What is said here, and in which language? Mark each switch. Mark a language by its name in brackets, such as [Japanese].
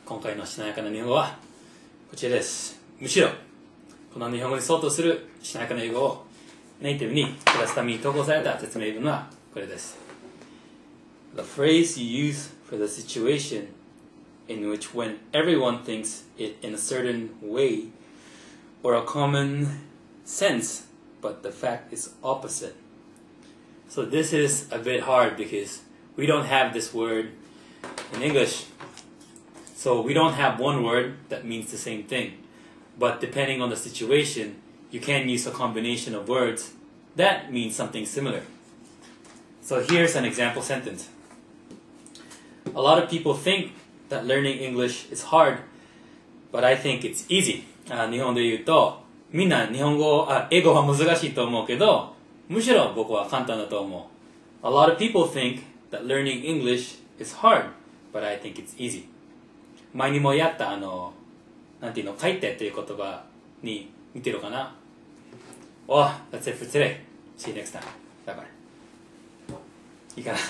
[Japanese] 今回のしなやかな日本語はこちらです。むしろこの日本語に相当するしなやかな英語をネイティブに暮らすために投稿された説明文はこれです。 [English] The phrase you use for the situation in which when everyone thinks it in a certain way or a common sense but the fact is opposite. So this is a bit hard because we don't have this word in EnglishSo we don't have one word that means the same thing. But depending on the situation, you can use a combination of words that means something similar. So here's an example sentence. A lot of people think that learning English is hard, but I think it's easy. [Japanese] 日本で言うと、みんな日本語、英語は難しいと思うけど、むしろ僕は簡単だと思う。 [English] A lot of people think that learning English is hard, but I think it's easy. [Japanese] 前にもやったあの、なんていうの、書いてっていう言葉に似てるかな。 [English] Oh, that's it for today. See you next time. Bye bye. [Japanese] いいかな。